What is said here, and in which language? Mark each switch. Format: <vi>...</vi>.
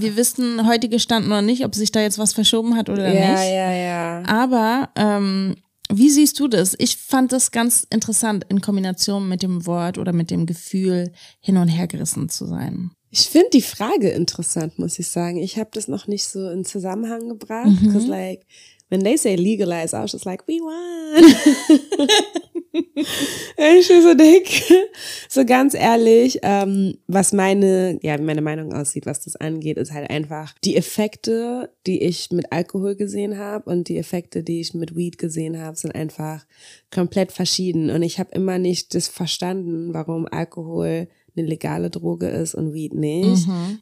<de>Wir wissen heutige Stand noch nicht, ob sich da jetzt was verschoben hat oder nicht. Ja, ja, ja. Aber wie siehst du das? Ich fand das ganz interessant in Kombination mit dem Wort oder mit dem Gefühl, hin und her gerissen zu sein. Ich finde die Frage interessant, muss ich sagen. Ich habe das noch nicht so in Zusammenhang gebracht. Mhm.</de> <en>Cause like, when they say legalize, I was just like, we won.</en> <de>Ich bin so dick. So ganz ehrlich, was meine Meinung aussieht, was das angeht, ist halt einfach die Effekte, die ich mit Alkohol gesehen habe und die Effekte, die ich mit Weed gesehen habe, sind einfach komplett verschieden. Und ich habe immer nicht das verstanden, warum Alkohol eine legale Droge ist und Weed nicht. Mhm.</de>